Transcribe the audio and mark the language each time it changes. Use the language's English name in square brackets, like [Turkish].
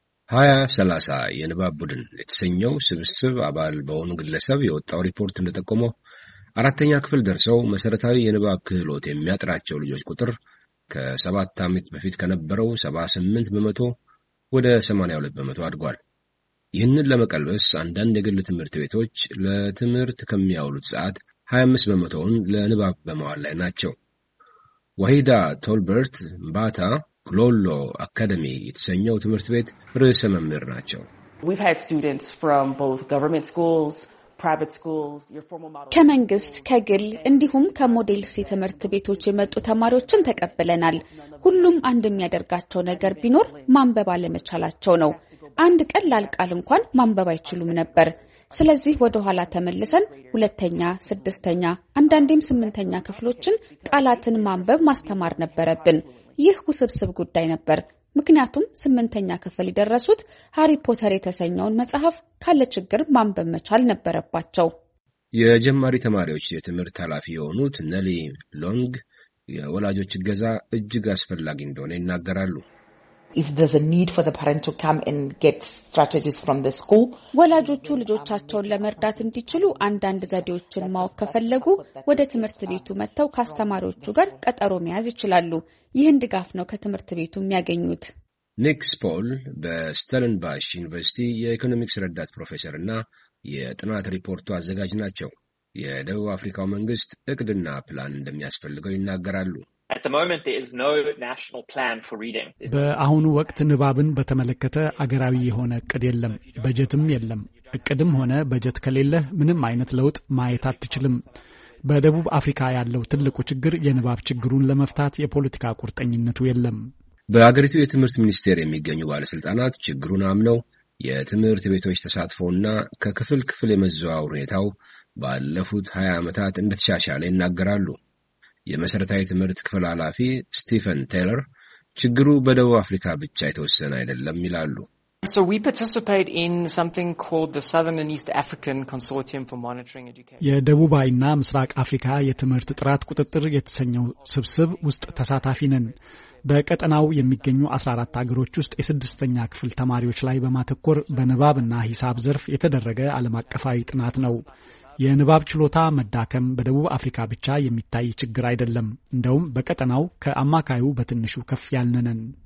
[Amharic] 2030 የንባብ ቡድን የተሰኘው ስብስብ አባል በሆኑ ግለሰብ የወጣው ሪፖርት እንደጠቆመው አራተኛ ክፍል ደርሰው መሰረታዊ የንባብ ክህሎት የሚያጥራቸው ልጆች ቁጥር ከሰባት ዓመት በፊት ከነበረው 78 በመቶ ወደ 82 በመቶ አድጓል። ይህንን ለመቀልበስ አንዳንድ የግል ትምህርት ቤቶች ለትምህርት ከሚያውሉት ሰዓት 25 በመቶውን ለንባብ በመዋል ላይ ናቸው። ዋሂዳ ቶልበርት ባታ ግሎሎ አካደሚ የተሰኘው ትምህርት ቤት ርዕሰ መምህር ናቸው። [English] We've had students from both government schools, private schools, your formal model. [Amharic] ከመንግስት ከግል እንዲሁም ከሞዴል ሲ ትምህርት ቤቶች የመጡ ተማሪዎችን ተቀበለናል። ሁሉም አንድ የሚያደርጋቸው ነገር ቢኖር ማንበብ አለመቻላቸው ነው። አንድ ቀላል ቃል እንኳን ማንበብ አይችሉም ነበር። ስለዚህ ወደ ኋላ ተመልሰን ሁለተኛ፣ ስድስተኛ፣ አንዳንዴም ስምንተኛ ክፍሎችን ቃላትን ማንበብ ማስተማር ነበረብን። ይህ ውስብስብ ጉዳይ ነበር። ምክንያቱም ስምንተኛ ክፍል ይደረሱት ሃሪ ፖተር የተሰኘውን መጽሐፍ ካለ ችግር ማንበብ መቻል ነበረባቸው። የጀማሪ ተማሪዎች የትምህርት ኃላፊ የሆኑት ነሊ ሎንግ የወላጆች እገዛ እጅግ አስፈላጊ እንደሆነ ይናገራሉ። [English] If there's a need for the parent to come and get strategies from the school, [Amharic] ወላጆቹ ልጆቻቸውን ለመርዳት እንዲችሉ አንዳንድ ዘዴዎችን ማወቅ ከፈለጉ ወደ ትምህርት ቤቱ መጥተው ካስተማሪዎቹ ጋር ቀጠሮ መያዝ ይችላሉ። ይህን ድጋፍ ነው ከትምህርት ቤቱ የሚያገኙት። ኒክ ስፖል በስተለንባሽ ዩኒቨርሲቲ የኢኮኖሚክስ ረዳት ፕሮፌሰር እና የጥናት ሪፖርቱ አዘጋጅ ናቸው። የደቡብ አፍሪካው መንግስት እቅድና ፕላን እንደሚያስፈልገው ይናገራሉ። [English] At the moment there is no national plan for reading. [Amharic] በአሁኑ ወቅት ንባብን በተመለከተ አገራዊ የሆነ እቅድ የለም፣ በጀትም የለም። እቅድም ሆነ በጀት ከሌለ ምንም አይነት ለውጥ ማየት አትችልም። በደቡብ አፍሪካ ያለው ትልቁ ችግር የንባብ ችግሩን ለመፍታት የፖለቲካ ቁርጠኝነቱ የለም። በአገሪቱ የትምህርት ሚኒስቴር የሚገኙ ባለስልጣናት ችግሩን አምነው የትምህርት ቤቶች ተሳትፎና ከክፍል ክፍል የመዘዋወር ሁኔታው ባለፉት 20 አመታት እንደተሻሻለ ይናገራሉ። የመሰረታዊ ትምህርት ክፍል ኃላፊ ስቲፈን ቴይለር ችግሩ በደቡብ አፍሪካ ብቻ የተወሰነ አይደለም ይላሉ። [English] So we participate in something called the Southern and East African Consortium for Monitoring Education. [Amharic] የደቡባይና ምስራቅ አፍሪካ የትምህርት ጥራት ቁጥጥር የተሰኘው ስብስብ ውስጥ ተሳታፊ ነን። በቀጠናው የሚገኙ 14 ሀገሮች ውስጥ የስድስተኛ ክፍል ተማሪዎች ላይ በማተኮር በንባብና ሂሳብ ዘርፍ የተደረገ ዓለም አቀፋዊ ጥናት ነው። የንባብ ችሎታ መዳከም በደቡብ አፍሪካ ብቻ የሚታይ ችግር አይደለም። እንደውም በቀጠናው ከአማካዩ በትንሹ ከፍ ያልነነን።